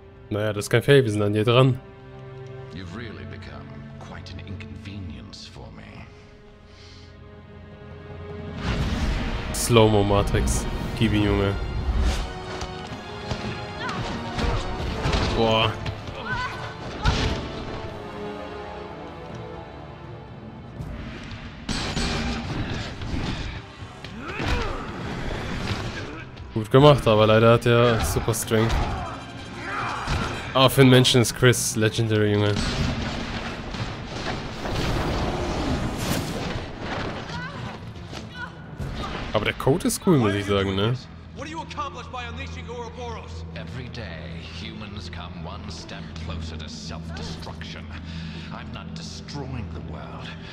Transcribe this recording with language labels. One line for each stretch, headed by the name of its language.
German: Naja, das ist kein Fail, wir sind an dir dran.
English: You've really become quite an inconvenience for me.
German: Slow-Mo Matrix. Gib ihn, Junge. Boah. Gut gemacht, aber leider hat er Super Strength. Ah, für den Menschen ist Chris legendary, Junge. Aber der Code ist cool, muss ich sagen, ne?
English: What do you accomplish by unleashing Ouroboros? Every day, humans come one step closer to self-destruction. I'm not destroying the world.